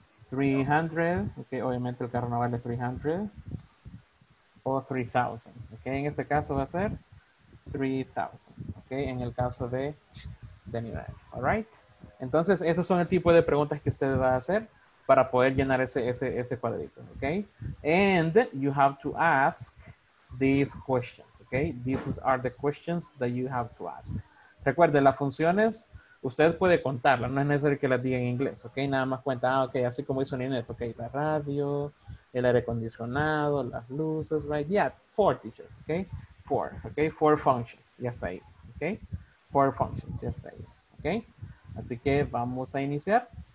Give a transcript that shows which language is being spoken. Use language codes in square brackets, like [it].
[es] 300, okay, obviamente el carro no vale 300, o 3,000, okay, en ese caso va a ser 3,000, okay, en el caso de nivel, all right. Entonces, estos son el tipo de preguntas que usted va a hacer para poder llenar ese cuadrito, okay. [en] And you have to ask these questions, okay. These are the questions that you have to ask. [es] Recuerde, las funciones, usted puede contarla, no es necesario que la diga en inglés, ¿ok? Nada más cuenta, ah, ok, así como hizo Ninette, ok, la radio, el aire acondicionado, las luces, right? [en] Yeah, four teachers, ¿ok? Four functions, [es] ya está ahí, [en] ¿ok? Four functions, [es] ya está ahí, ¿ok? Así que vamos a iniciar.